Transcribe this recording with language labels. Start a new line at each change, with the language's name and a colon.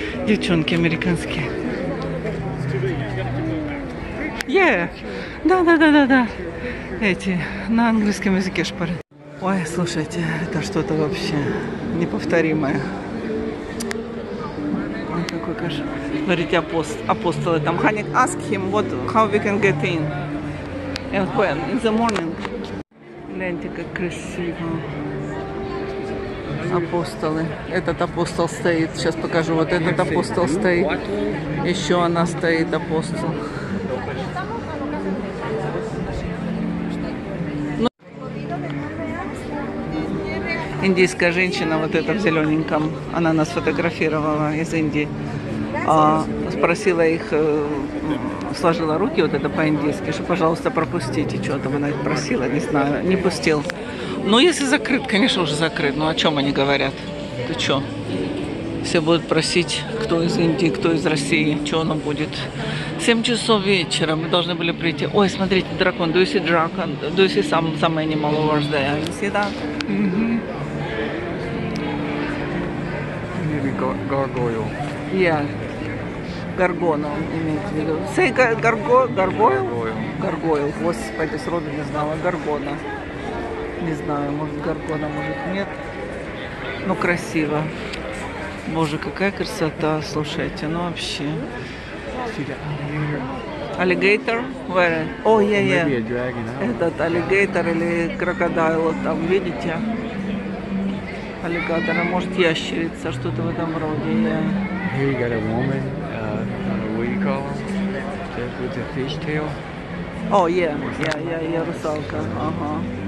Russian: Девчонки американские.
English: Yeah,
Russian: да-да-да-да-да, эти, на английском языке шпоры. Ой, слушайте, это что-то вообще неповторимое. Ой, какой кошмар. Смотрите, апостолы там.
English: Ханик, ask him what, how we can get in. And when? In the morning.
Russian: Гляньте, как красиво. Апостолы. Этот апостол стоит. Сейчас покажу. Вот этот апостол стоит. Еще она стоит, апостол. Индийская женщина, вот эта в зелененьком, она нас фотографировала из Индии. Спросила их, сложила руки вот это по-индийски, что, пожалуйста, пропустите, что-то она их просила, не знаю, не пустил. Ну, если закрыт, конечно, уже закрыт, но о чем они говорят? Ты что? Все будут просить, кто из Индии, кто из России, что оно будет. 7 часов вечера мы должны были прийти. Ой, смотрите, дракон,
English: do you see dragon? Do you see some animal over there? You see that? Gargoyle. Yeah.
Russian: Gargoyle, имеется в виду.
English: Say gargoyle?
Russian: Gargoyle. Господи, сроду не знала. Gargoyle. Не знаю, может, Gargoyle, может, нет. Но красиво. Боже, какая красота, слушайте, ну вообще.
English: Alligator? Where? Oh, yeah, yeah. Maybe a dragon.
Russian: Этот alligator или крокодил, вот там, видите? Аллигатора, может, ящерица, что-то в этом роде.
English: Here you got a woman, what do you call him? With the fish tail? Oh, yeah, yeah, yeah, yeah,
Russian: русалка, ага.